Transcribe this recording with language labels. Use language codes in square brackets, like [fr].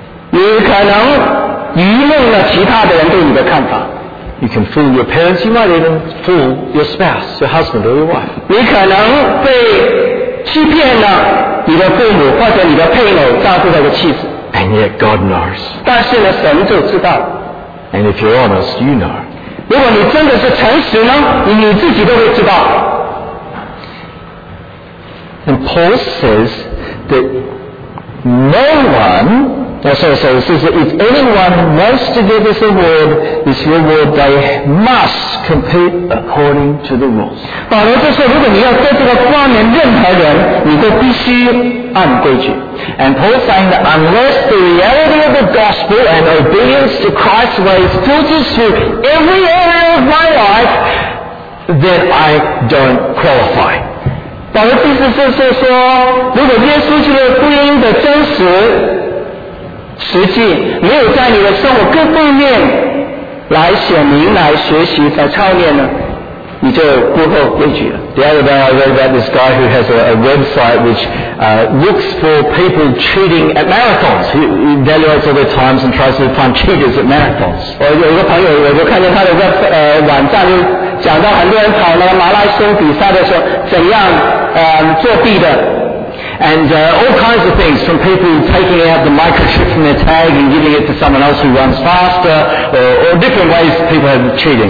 [zh] 你可能愚弄了其他的人对你的看法。 [en] You can fool your parents. You might even fool your spouse, your husband, or your wife. [zh] 你可能被欺骗了。你的父母或者你的配偶照顾他的妻子。 [en] And yet God knows. [zh] 但是呢神就知道。 [en] And if you're honest, you know. [zh] 如果你真的是诚实呢，你自己都会知道。 [en] And Paul says that no one, so if anyone wants to get this award, this award they must compete according to the rules. [zh] 保罗就说，如果你要得这个冠冕，任何人你都必须按规矩。 [en] And Paul saying that unless the reality of the gospel and obedience to Christ's ways filters through every area of my life, then I don't qualify. [zh] 保罗意思就是说，如果耶稣基督福音的真实实际没有在你的生活各方面来显明、来学习、来操练呢，你就不够规矩了。 [en] The other day I read about this guy who has a website which looks for people cheating at marathons. He evaluates all the times and tries to find cheaters at marathons. [zh] 我有一个朋友，我就看见他的网站就讲到很多人跑了马拉松比赛的时候怎样作弊的。 [en] And all kinds of things, from people taking out the microchip from their tag and giving it to someone else who runs faster, or different ways people have cheating.